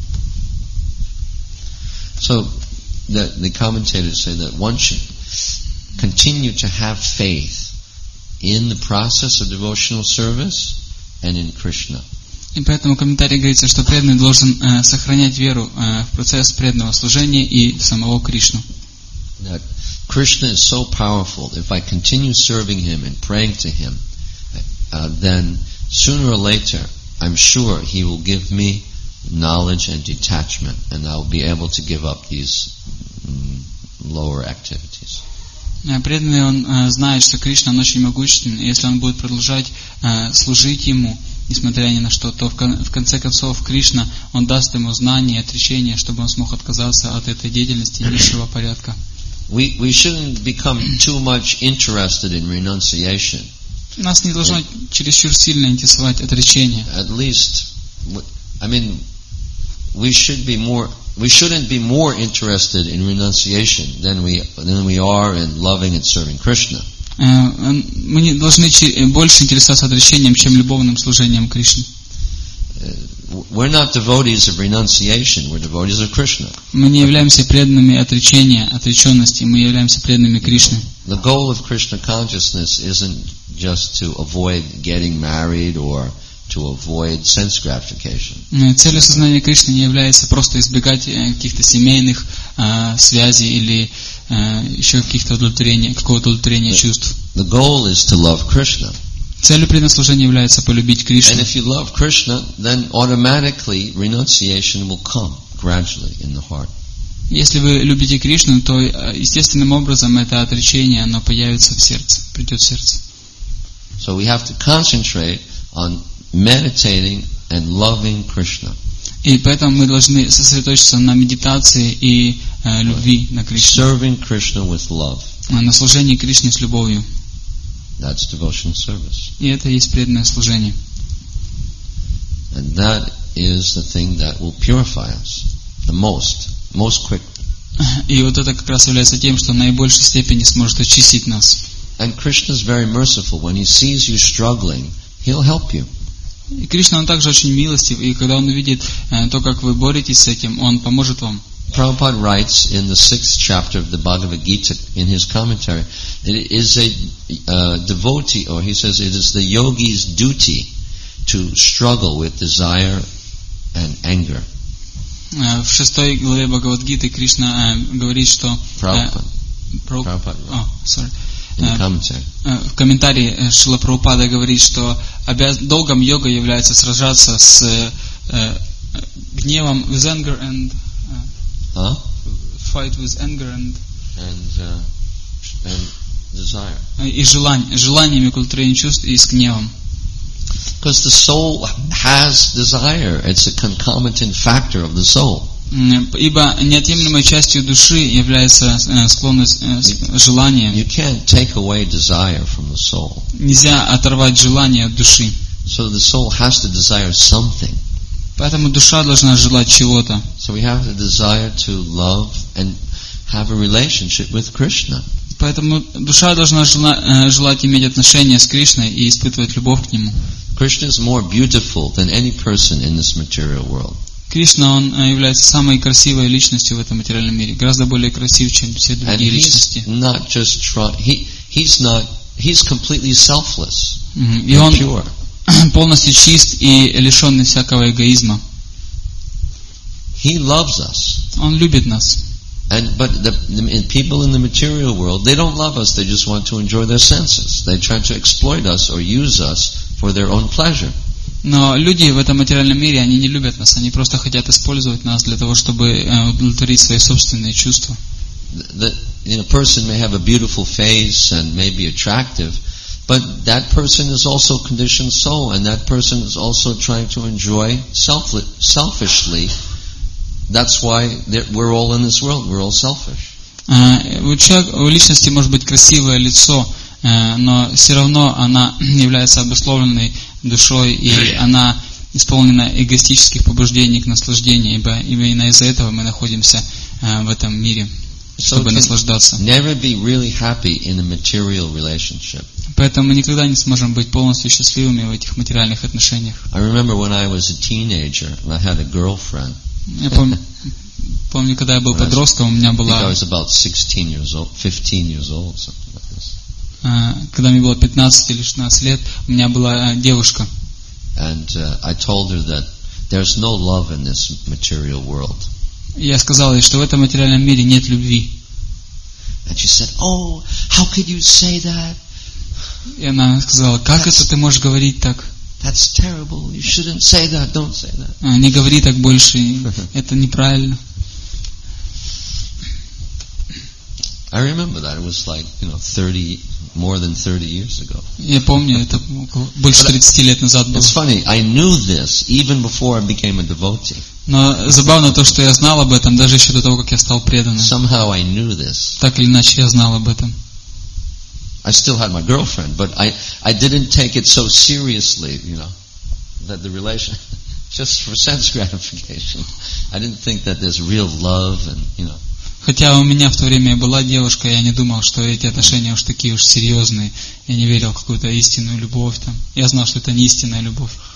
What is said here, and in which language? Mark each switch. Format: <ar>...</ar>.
<en>So the commentators say that one should continue to have faith in the process of devotional service and in Krishna.</en> <ru>И поэтому в комментарии говорится, что преданный должен сохранять веру в процесс преданного служения и в самого Кришну.</ru> <en>That Krishna is so powerful. If I continue serving Him and praying to Him, then sooner or later, I'm sure He will give me knowledge and detachment, and I will be able to give up these lower activities.</en> <ru>Преданный, он знает, что Кришна, он очень могущественный, если он будет продолжать служить Ему, несмотря ни на что, то в конце концов Кришна, он даст ему знание, отречение, чтобы он смог отказаться от этой деятельности низшего порядка.</ru> <en>We shouldn't become too much interested in renunciation.</en> <ru>Нас не должно чересчур сильно интересовать отречение.</ru> <en>At least, I mean, we shouldn't be more interested in renunciation than we are in loving and serving Krishna.</en> <ru>Мы не должны больше интересоваться отречением, чем любовным служением Кришне.</ru> <en>We're not devotees of renunciation, we're devotees of Krishna.</en> <ru>Мы не являемся преданными отречения, отреченности, мы являемся преданными Кришны.</ru> <en>The goal of Krishna consciousness isn't just to avoid getting married or to avoid sense gratification.</en> <ru>Целью сознания Кришны не является просто избегать каких-то семейных связей или еще каких-то удовлетворения, какого-то удовлетворения чувств.</ru> <en>The goal is to love Krishna.</en> <ru>Целью преднаслужения является полюбить Кришну.</ru> <en>And if you love Krishna, then automatically renunciation will come gradually in the heart.</en> <ru>Если вы любите Кришну, то естественным образом это отречение, оно появится в сердце, придет в сердце.</ru> <en>So we have to concentrate on meditating and loving Krishna.</en> <ru>И поэтому мы должны сосредоточиться на медитации и любви на Кришне.</ru> <en>Serving Krishna with love.</en> <ru>На служении Кришне с любовью.</ru> <en>That's devotional service.</en> <ru>И это и есть преданное служение.</ru> <en>And that is the thing that will purify us the most quickly.</en> <ru>И вот это как раз является тем, что в наибольшей степени сможет очистить нас.</ru> <en>And Krishna is very merciful. When He sees you struggling, He'll help you.</en> <ru>И Кришна, Он также очень милостив, и когда Он увидит то, как вы боретесь с этим, Он поможет вам.</ru> <en>Prabhupada writes in the 6th chapter of the Bhagavad Gita in his commentary, it is a devotee, or he says, it is the yogi's duty to struggle with desire and anger.</en> <ru>В 6-й главе Бхагавад Гиты Кришна говорит, что... В комментарии Шрила Прабхупада говорит, что долгом йога является сражаться с гневом,</ru> <en>with anger and fight with anger and desire.</en> <ru>И желаниями, культурными чувствами и с гневом.</ru> <en>Because the soul has desire, it's a concomitant factor of the soul.</en> <ru>Ибо неотъемлемой частью души является склонность, желание.</ru> <en>You can't take away desire from the soul.</en> <ru>Нельзя оторвать желание от души.</ru> <en>So the soul has to desire something.</en> <ru>Поэтому душа должна желать чего-то.</ru> <en>So we have the desire to love and have a relationship with Krishna.</en> <ru>Поэтому душа должна желать иметь отношения с Кришной и испытывать любовь к Нему.</ru> <en>Krishna is more beautiful than any person in this material world.</en> <ru>Кришна, Он является самой красивой личностью в этом материальном мире. Гораздо более красив, чем все другие</ru> <en>And he's</en> <ru>личности.</ru> <en>Not just he's completely selfless.</en> <ru>И Он полностью чист и лишенный всякого эгоизма.</ru> <en>He loves us.</en> <ru>Он любит нас.</ru> <en>And, but the people in the material world, they don't love us, they just want to enjoy their senses. They try to exploit us or use us for their own pleasure.</en> <ru>Но люди в этом материальном мире, они не любят нас, они просто хотят использовать нас для того, чтобы удовлетворить свои собственные чувства.</ru> <en>A person may have a beautiful face and may be attractive, But that person is also conditioned soul, and that person is also trying to enjoy selfishly. That's why we're all in this world. We're all selfish.</en> <ru>У личности может быть красивое лицо, но все равно она является обусловленной душой, и она исполнена эгоистических побуждений к наслаждению, ибо именно из-за этого мы находимся в этом мире, чтобы наслаждаться.</ru> <en>Never be really happy in a material relationship.</en> <ru>Поэтому мы никогда не сможем быть полностью счастливыми в этих материальных отношениях.</ru> <en>I remember when I was a teenager and I had a girlfriend.</en> <ru>Помню, когда я был подростком, у меня была...</ru> <en>I was about 16 years old, 15 years old, something like this.</en> <ru>Когда мне было 15 или 16 лет, у меня была девушка.</ru> <en>And I told her that there's no love in this material world.</en> <ru>Я сказал ей, что в этом материальном мире нет любви.</ru> <en>And she said, oh, how could you say that?</en> <ru>И она сказала, как это ты можешь говорить так?</ru> <en>That's terrible. You shouldn't say that. Don't say that.</en> <ru>Не говори так больше. Это неправильно.</ru> <en>I remember that. It was like, you know, 30, more than 30 years ago.</en> <ru>Я помню, это больше 30 лет назад было.</ru> <en>It's funny. I knew this even before I became a devotee.</en> <ru>Но забавно то, что я знал об этом даже еще до того, как я стал преданным.</ru> <en>Somehow I knew this.</en> <ru>Так или иначе, я знал об этом.</ru> <en>I still had my girlfriend, but I didn't take it so seriously, you know, that the relation just for sense gratification. I didn't think that there's real love and, you know.</en> <ru>Хотя у меня в то время была девушка, я не думал, что эти отношения уж такие уж серьезные. Я не верил в какую-то истинную любовь там. Я знал, что это не истинная любовь.</ru>